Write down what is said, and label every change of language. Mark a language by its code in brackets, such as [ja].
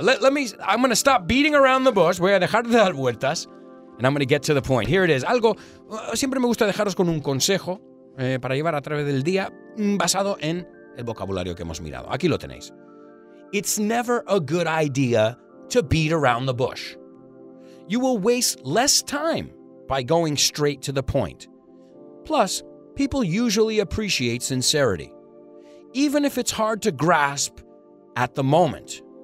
[en] I'm going to stop beating around the bush. [es] Voy a dejar de dar vueltas. [en] And I'm going to get to the point. Here it is. [es] Algo, siempre me gusta dejaros con un consejo para llevar a través del día basado en el vocabulario que hemos mirado. Aquí lo tenéis. [en] It's never a good idea to beat around the bush. You will waste less time by going straight to the point. Plus, people usually appreciate sincerity, even if it's hard to grasp at the moment.